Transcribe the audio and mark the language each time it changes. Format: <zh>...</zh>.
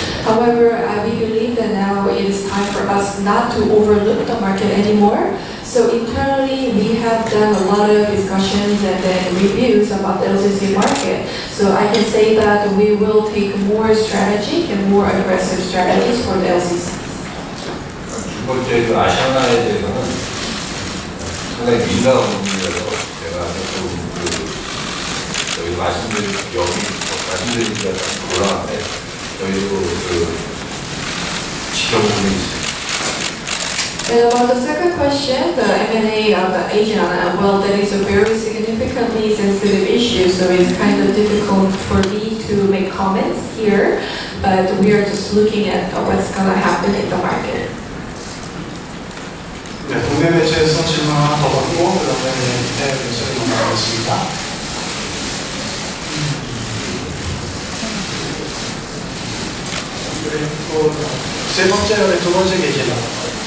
<en>However, we believe that now it is time for us not to overlook the market anymore. So internally, we have done a lot of discussions and then reviews about the LCC market. So I can say that we will take more strategic and more aggressive strategies for the LCCs.</en> <ko>두 번째, 그 아시아나에 대해서는 상당히 민감한 문제라서 제가 조금 저희 말씀드린 것 같은 곤란한데 저희도 지켜보고 있습니다.</ko> <en>And about the second question, the M&A of the Asian, well, that is a very significantly sensitive issue, so it's kind of difficult for me to make comments here, but we are just looking at what's going to happen in the market.</en> <ko>네, 동대매체에서 질문 하나 더 받고, 그 다음에 네, 대표님께서 질문 받겠습니다. 그리고 세 번째, 네, 두 번째 계시죠.</ko>